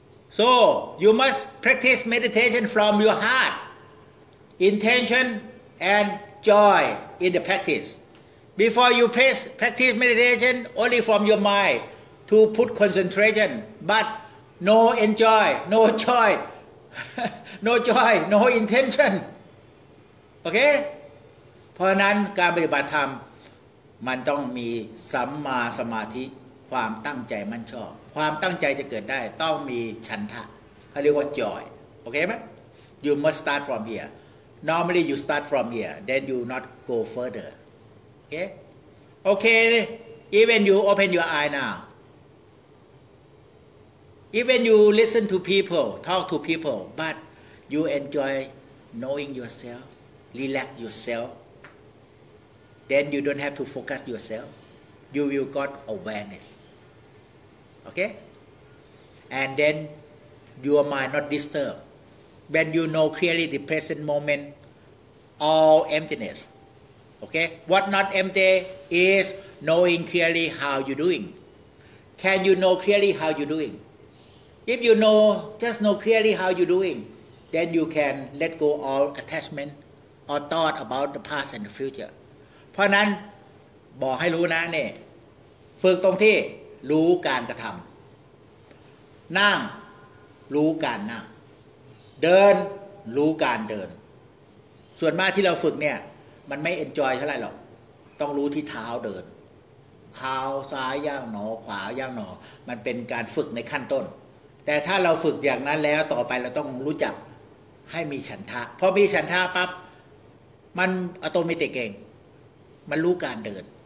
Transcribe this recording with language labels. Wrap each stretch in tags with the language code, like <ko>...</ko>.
<en>So you must practice meditation from your heart, intention and joy in the practice. Before you practice meditation only from your mind to put concentration, but no enjoy, no joy, no joy, no intention. Okay?</en> <th>เพราะนั้นการปฏิบัติธรรมมันต้องมีสัมมาสมาธิความตั้งใจมั่นชอบความตั้งใจจะเกิดได้ต้องมีฉันทะเขาเรียกว่าจอยโอเคไหม</th> <en>You must start from here. Normally you start from here, then you not go further. Okay? Okay, even you open your eye now. Even you listen to people, talk to people, but you enjoy knowing yourself, relax yourself. Then you don't have to focus yourself. You will got awareness. Okay, and then your mind not disturbed. When you know clearly the present moment, all emptiness. Okay, what not empty is knowing clearly how you doing. Can you know clearly how you doing? If you know, just know clearly how you doing, then you can let go all attachment or thought about the past and the future.</en> <th>เพราะนั้นบอกให้รู้นะเนี่ยฝึกตรงที่รู้การกระทำนั่งรู้การนั่งเดินรู้การเดิน ส่วนมากที่เราฝึกเนี่ยมันไม่เอนจอยเท่าไหร่หรอกต้องรู้ที่เท้าเดินเท้าซ้ายย่างหนอขวาย่างหนอมันเป็นการฝึกในขั้นต้นแต่ถ้าเราฝึกอย่างนั้นแล้วต่อไปเราต้องรู้จักให้มีฉันทะพอมีฉันทะปั๊บมันอัตโนมัติเองมันรู้การเดิน</th>